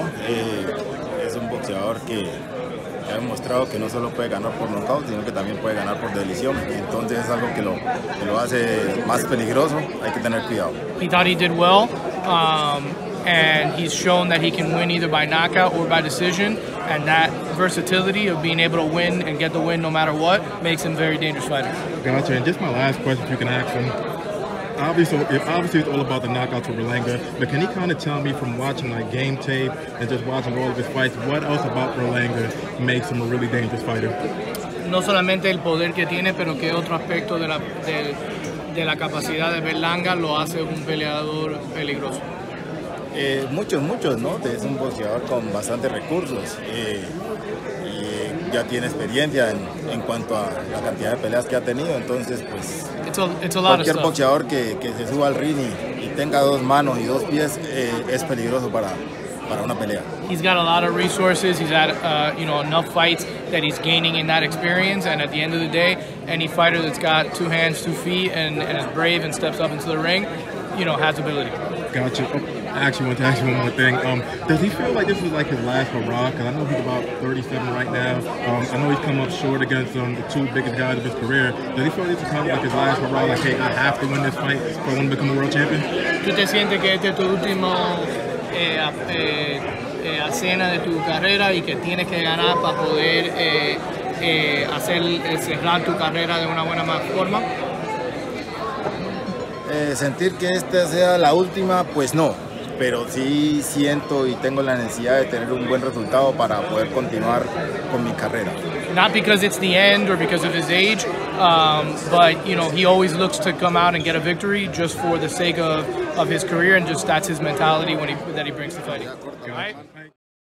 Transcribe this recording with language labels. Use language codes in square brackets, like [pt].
[es] Es un boxeador que ha demostrado que no solo puede ganar por nocaut, sino que también puede ganar por decisión. Entonces es algo que lo hace más peligroso. Hay que tener cuidado. [en] He thought he did well, and he's shown that he can win either by knockout or by decision. And that versatility of being able to win and get the win no matter what makes him a very dangerous fighter. Gotcha. And just my last question, if you can ask him. Obviously, it's all about the knockouts for Berlanga, but can he kind of tell me from watching like game tape and just watching all of his fights, what else about Berlanga makes him a really dangerous fighter? [es] No solamente el poder que tiene, pero qué otro aspecto de la capacidad de Berlanga lo hace un peleador peligroso. Muchos, ¿no? Es un boxeador con bastantes recursos y ya tiene experiencia en cuanto a la cantidad de peleas que ha tenido, entonces pues cualquier boxeador que se suba al ring y tenga dos manos y dos pies es peligroso para una pelea. [en] He's got a lot of resources, he's had enough fights that he's gaining in that experience, and at the end of the day, any fighter that's got two hands, two feet and is brave and steps up into the ring, you know, has ability. Gotcha. I actually want to ask you one more thing. Does he feel like this is like his last hurrah? Because I know he's about 37 right now. I know he's come up short against the two biggest guys of his career. Does he feel like this is kind of like his last hurrah? Like, hey, I have to win this fight if I want to become a world champion? [es] ¿Tú te sientes que este es tu último escena de tu carrera y que tienes que ganar para poder cerrar tu carrera de una buena forma? Sentir que esta sea la última, pues no. Pero sí siento y tengo la necesidad de tener un buen resultado para poder continuar con mi carrera. [en] Not because it's the end or because of his age, but you know, he always looks to come out and get a victory just for the sake of his career, and just that's his mentality that he brings to fighting. All right?